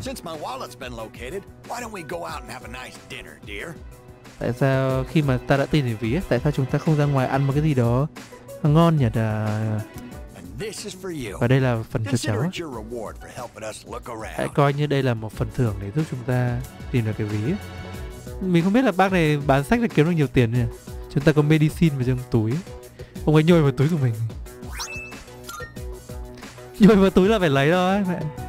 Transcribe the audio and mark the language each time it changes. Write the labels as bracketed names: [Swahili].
[English] Since my wallet's been located, why don't we go out and have a nice dinner, dear? [Vietnamese] Tại sao khi mà ta đã tiền để ví, tại sao chúng ta không ra ngoài ăn một cái gì đó ngon nhỉ? [English] And this is for you. [Vietnamese] Và đây là phần cho cháu. [English] Consider it your reward for helping us look around. [Vietnamese] Hãy coi như đây là một phần thưởng để giúp chúng ta tìm được cái ví. Mình không biết là bác này bán sách là kiếm được nhiều tiền nhỉ? Chúng ta có medicine vào trong túi. Ông ấy nhồi vào túi của mình. Nhồi vào túi là phải lấy thôi mẹ.